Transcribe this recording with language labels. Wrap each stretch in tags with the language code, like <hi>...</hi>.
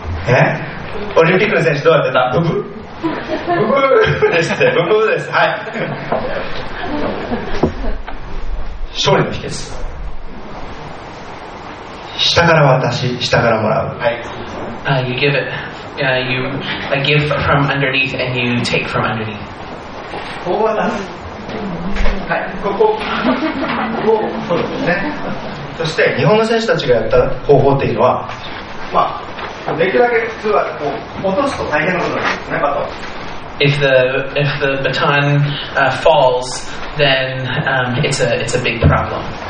<ja>え？オリンピックの選手どうやってた？ブブブブーですって、ブブーです、はい。勝利の秘訣。下から渡し、下からもらう。</ja> <en>はい。You give it. You give from underneath and you take from underneath.</en> <ja>こう渡す。はい、ここ。こう、そうですね。そして、日本の選手たちがやった方法っていうのは、まあ、できるだけ普通はこう落とすと大変なことなんですね、バトン。</ja> <en>If the baton falls, then it's a big problem.</en>